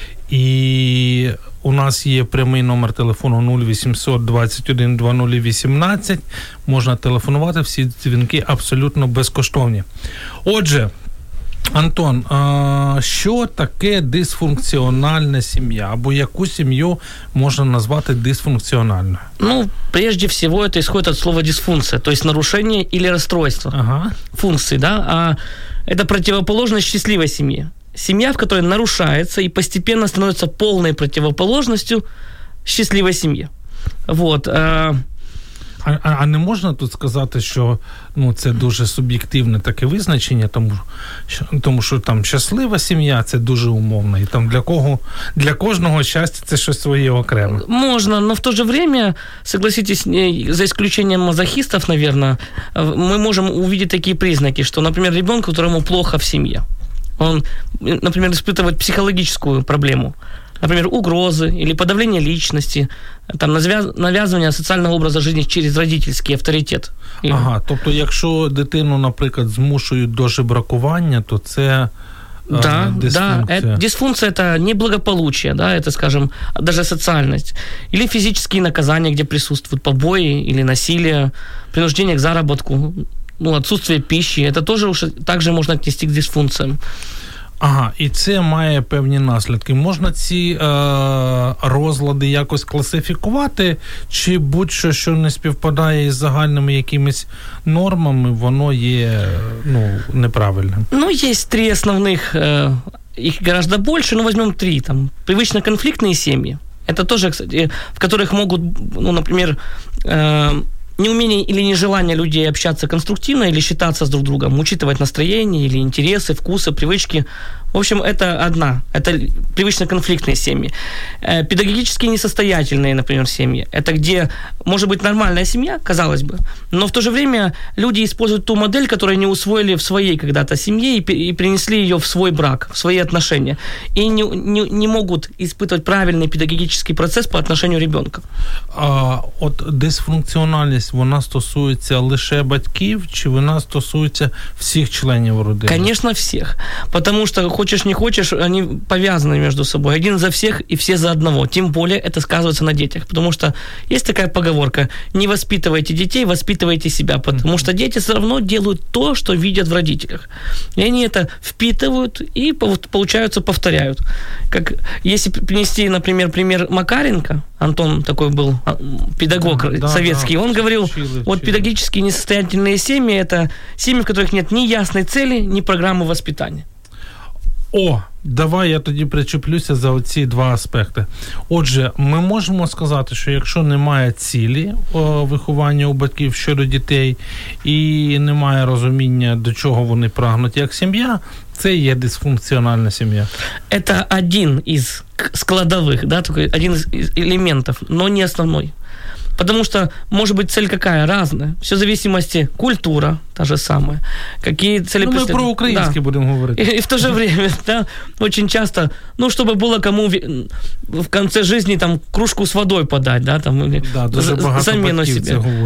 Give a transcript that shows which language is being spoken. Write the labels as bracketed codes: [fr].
[uk] І у нас є прямий номер телефону 0800-21-2018. Можна телефонувати, всі дзвінки абсолютно безкоштовні. Отже, Антон, що таке дисфункціональна сім'я? Або яку сім'ю можна назвати дисфункціональною? [ru] Ну, прежде всего, это исходит от слова дисфункция, то есть нарушение или расстройство. Ага. Функции, да? А это противоположность счастливой семьи. Семья, в которой нарушается и постепенно становится полной противоположностью счастливой семьи. Вот. [uk] А не можна тут сказати, що ну, це дуже суб'єктивне таке визначення, тому що там щаслива сім'я – це дуже умовно, і там для кожного щастя – це щось своє окреме. Можна, але [ru] в то же время, согласитесь, за исключением мазохистов, наверное, [uk] ми можемо [ru] увидеть [uk] такі признаки, що, наприклад, [ru] ребенку, которому плохо в сім'ї. Он, например, испытывает психологическую проблему. Например, угрозы или подавление личности, там навязывание социального образа жизни через родительский авторитет. [uk] Ага, тобто, якщо дитину, наприклад, змушують до жебракування, то це [ru] да, [uk] дисфункція. [ru] Да, дисфункція – это неблагополучие, да, это, скажем, даже социальность. Или физические наказания, где присутствуют побои или насилие, принуждение к заработку. Ну, отсутствие пищи, это тоже уж так же можно отнести к дисфункциям. [uk] Ага, и це має певні наслідки. Можна ці розлади якось класифікувати, чи будь-що, що не співпадає із загальними якимись нормами, воно є, ну, неправильним. Ну, є три основних, їх [ru] гораздо [uk] більше, ну, візьмемо три, там, привично конфліктні сім'ї. [ru] Это тоже, кстати, в которых могут, ну, например, неумение или нежелание людей общаться конструктивно или считаться с друг другом, учитывать настроение или интересы, вкусы, привычки. В общем, это одна. Это привычно-конфликтные семьи. Педагогически несостоятельные, например, семьи. Это где может быть нормальная семья, казалось бы, но в то же время люди используют ту модель, которую они усвоили в своей когда-то семье и принесли ее в свой брак, в свои отношения. И не могут испытывать правильный педагогический процесс по отношению ребенка. [uk] От дисфункциональный вона стосується лише батьків, чи вона стосується всіх членів родини? [ru] Конечно, [uk] всіх. [ru] Потому что, [uk] хочеш не хочеш, вони пов'язані між собою. Один за всіх і всі за одного. Тим більше, це сказується на дітях. Тому що є така поговорка: [ru] не воспитуйте [uk] дітей, [ru] воспитуйте себе. [uk] Тому що діти все одно роблять те, що бачать в родителях. І вони це впитують і повторяють. Як, якщо принести, наприклад, [ru] пример Макаренка, Антон такой был педагог, да, советский, да, он говорил, вот педагогически несостоятельные семьи – это семьи, в которых нет ни ясной цели, ни программы воспитания. [uk] О, давай я тоді причеплюся за ці два аспекти. Отже, ми можемо сказати, що якщо немає цілі виховання у батьків щодо дітей і немає розуміння, до чого вони прагнуть як сім'я, це є дисфункціональна сім'я. [ru] Это [uk] один із складових, [ru] да, такой [uk] один із елементів, [ru] но не основной. Потому что, может быть, цель какая? Разная. Все в зависимости культура, та же самая. Какие цели? Ну, мы про украинский, да, будем говорить. И в то же время, да, очень часто, ну, чтобы было кому в конце жизни там кружку с водой подать, да, там, или да, замену себе.